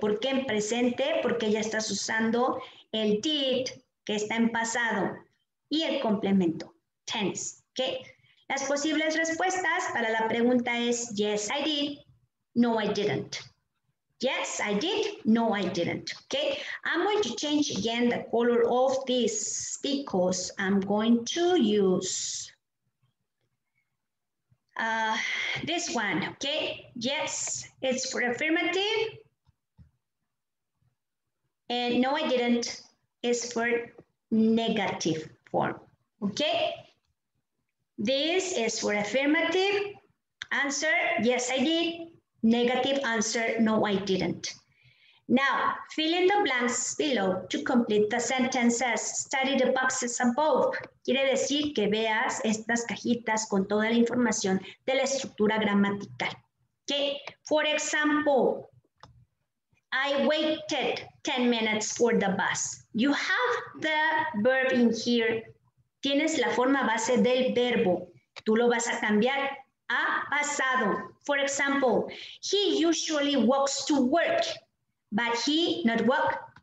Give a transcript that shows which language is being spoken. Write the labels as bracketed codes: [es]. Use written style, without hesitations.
[es] ¿Por qué en presente? Porque ya estás usando el did que está en pasado y el complemento, tense. Okay. Las posibles respuestas para la pregunta es [en] yes, I did, no, I didn't. Yes, I did, no, I didn't. Okay. I'm going to change again the color of this because I'm going to use this one. Okay. Yes, it's for affirmative. And no, I didn't, is for negative form. Okay. This is for affirmative answer, yes, I did. Negative answer, no, I didn't. Now, fill in the blanks below to complete the sentences. Study the boxes above. [es] Quiere decir que veas estas cajitas con toda la información de la estructura gramatical. [en] Okay. For example, I waited 10 minutes for the bus. You have the verb in here. [es] Tienes la forma base del verbo. Tú lo vas a cambiar a pasado. [en] For example, he usually walks to work, but he not walk.